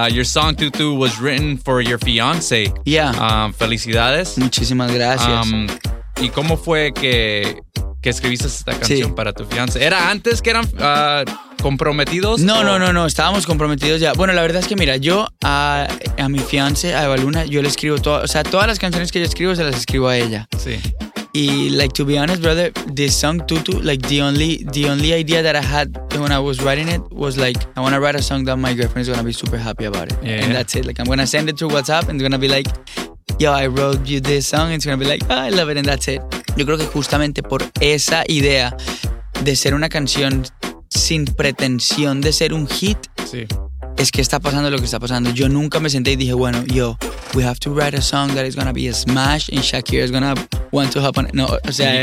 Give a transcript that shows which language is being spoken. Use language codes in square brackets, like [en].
[en] Your song Tutu was written for your fiance. Yeah. [es] Felicidades. Muchísimas gracias. ¿Y cómo fue que escribiste esta canción para tu fiance? ¿Era antes que eran comprometidos? No, no, estábamos comprometidos ya. Bueno, la verdad es que mira, yo a mi fiance, a Eva Luna, yo le escribo todo, o sea, todas las canciones que yo escribo se las escribo a ella. Sí. [en] Y, like, to be honest, brother, this song, Tutu, like, the only idea that I had when I was writing it was, like, I want to write a song that my girlfriend is going to be super happy about it. Yeah. And that's it. Like, I'm going to send it to WhatsApp and it's going to be like, yo, I wrote you this song. And it's going to be like, oh, I love it, and that's it. [es] Yo creo que justamente por esa idea de ser una canción sin pretensión de ser un hit, sí, es que está pasando lo que está pasando. Yo nunca me senté y dije, bueno, yo, [en] we have to write a song that is going to be a smash and Shakira is going to want to hop on it. [es] No, o sea,